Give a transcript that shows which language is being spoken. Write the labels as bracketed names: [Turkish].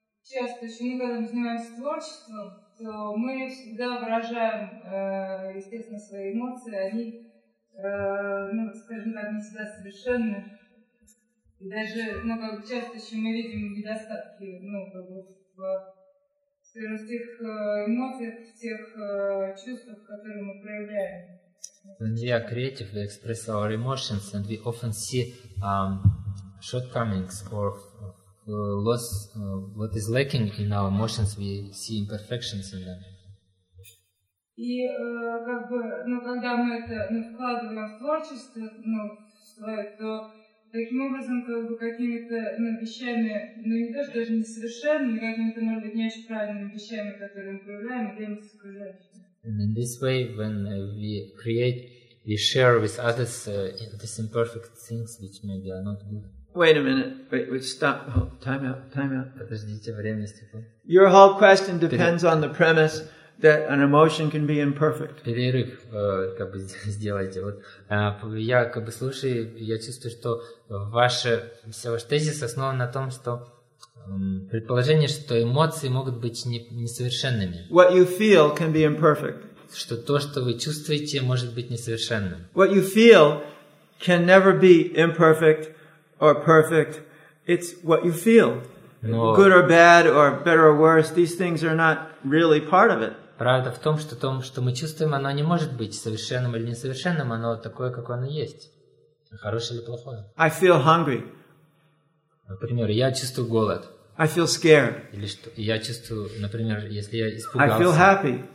[Russian] Часто, мы когда мы занимаемся творчеством, то мы всегда выражаем, естественно, свои эмоции, они, ну, скажем так, не всегда совершенны. И даже, ну, как часто еще мы видим недостатки, ну, как бы, скажем, в тех эмоциях, в тех чувствах, которые мы проявляем. [English] When we are creative, we express our emotions and we often see shortcomings or loss, what is lacking in our emotions, we see imperfections in them. [Russian] И как бы, ну, когда мы это, ну, вкладываем в творчество, ну, в свое, то таким образом, как бы, какими-то, ну, вещами, ну, не то, что даже не совершенными, какими-то, может быть, не очень правильными вещами, которые мы проявляем, делимся с окружающими. [English] And in this way, when we create, we share with others these imperfect things, which maybe are not good. Wait a minute. Wait, stop. Oh, time out. [Russian] Подождите, время истекло. [English] Your whole question depends on the premise that an emotion can be imperfect. [Russian] Перерыв, как бы сделайте. Вот, я как бы слушаю, я чувствую, что вся ваш тезис основан на том, что предположение, что эмоции могут быть несовершенными. [English] What you feel can be imperfect. [Russian] Что то, что вы чувствуете, может быть несовершенным. [English] What you feel can never be imperfect or perfect. It's what you feel. [Russian] Но [English] good or bad or better or worse, these things are not really part of it. [Russian] Правда в том, что то, что мы чувствуем, оно не может быть совершенным или несовершенным, оно такое, как оно есть. Хорошее или плохое. [English] I feel hungry. [Russian] Например, я чувствую голод. [English] I feel scared. [Russian] Или что? Я чувствую, например, если я испугался. [English] I feel happy.